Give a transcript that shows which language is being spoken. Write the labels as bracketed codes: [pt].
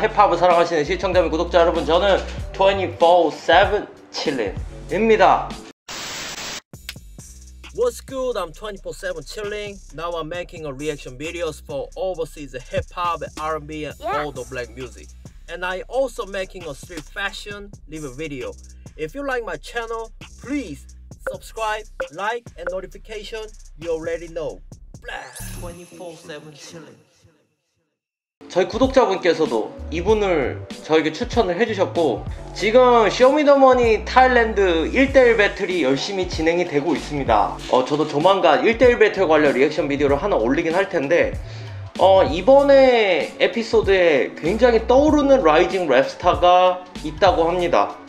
[ko] 힙합을 사랑하시는 시청자 및 구독자 여러분, 저는 24/7 chilling입니다. [en] What's good? I'm 24/7 chilling. Now I'm making a reaction videos for overseas hip hop, R&B, and all the black music. And I also making a street fashion live video. If you like my channel, please. Subscribe, like, and notification, you already know. Blast! 24/7 chilling. [ko] 저희 구독자분께서도 이분을 저에게 추천을 해주셨고, 지금 쇼미더머니 타일랜드 1대1 배틀이 열심히 진행이 되고 있습니다. 저도 조만간 1대1 배틀 관련 리액션 비디오를 하나 올리긴 할 텐데, 이번에 에피소드에 굉장히 떠오르는 라이징 랩스타가 있다고 합니다.